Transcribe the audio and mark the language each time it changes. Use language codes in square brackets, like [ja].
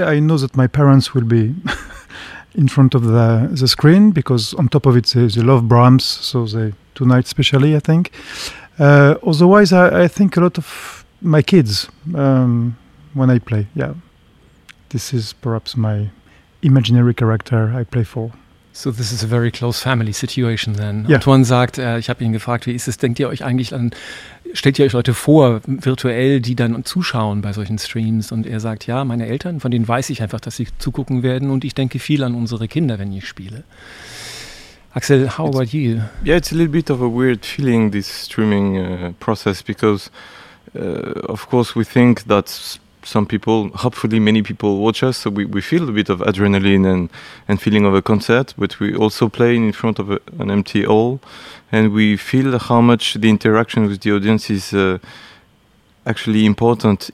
[en] I know that my parents will be in front of the screen, because on top of it, they love Brahms, so they tonight especially, I think. Otherwise, I think a lot of my kids when I play. Yeah, this is perhaps my imaginary character I play for. So this is a very close family situation then. Yeah. [de] Antoine sagt, ich habe ihn gefragt, wie ist es, denkt ihr euch eigentlich an, stellt ihr euch Leute vor, virtuell, die dann zuschauen bei solchen Streams? Und er sagt, ja, meine Eltern, von denen weiß ich einfach, dass sie zugucken werden und ich denke viel an unsere Kinder, wenn ich spiele. [en] Axel, how about you? Yeah, it's a little bit of a weird feeling, this streaming process, because of course we think that some people, hopefully many people watch us, so we feel a bit of adrenaline and feeling of a concert, but we also play in front of an empty hall, and we feel how much the interaction with the audience is actually important.